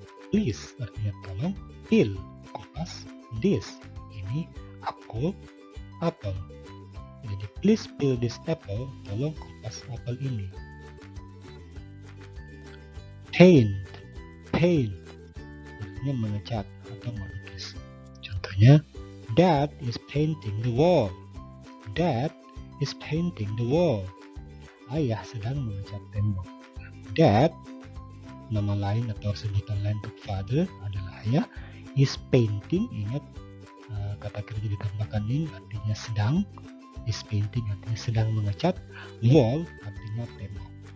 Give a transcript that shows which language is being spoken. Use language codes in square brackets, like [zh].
[id] Please, artinya tolong. Peel, kupas. This, ini aku, apple. Jadi, [en] please peel this apple. [id] Tolong kupas apel ini. [en] Paint, paint. [id] Artinya mengecat atau melukis. Contohnya, [en] Dad is painting the wall. Dad is painting the wall. [id] Ayah sedang mengecat tembok. Dad, nama lain atau sebutan lain untuk father adalah ayah, is painting, ingat kata kerja ditambahkan ini artinya sedang, is painting artinya sedang mengecat, wall artinya tembok.